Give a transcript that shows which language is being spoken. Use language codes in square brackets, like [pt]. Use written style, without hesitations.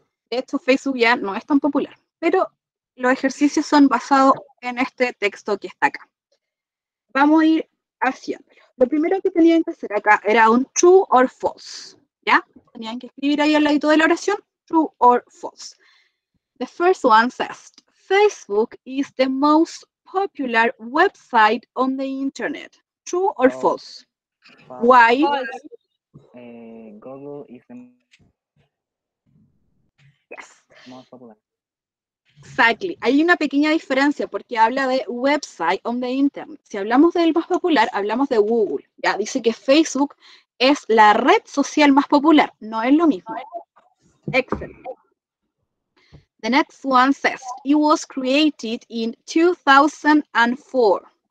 [es] De hecho, Facebook ya no es tan popular, pero los ejercicios son basados en este texto que está acá. Vamos a ir haciéndolo. Lo primero que tenían que hacer acá era un [en] true or false, [es] ¿ya? Tenían que escribir ahí al ladito de la oración, [en] true or false. The first one says, Facebook is the most popular website on the internet. True or false? Why? Google is the most popular. Exactly. [es] Hay una pequeña diferencia porque habla de [en] website on the internet. [es] Si hablamos del más popular, hablamos de Google. Ya dice que Facebook es la red social más popular. No es lo mismo. [en] Excellent. The next one says, it was created in 2004.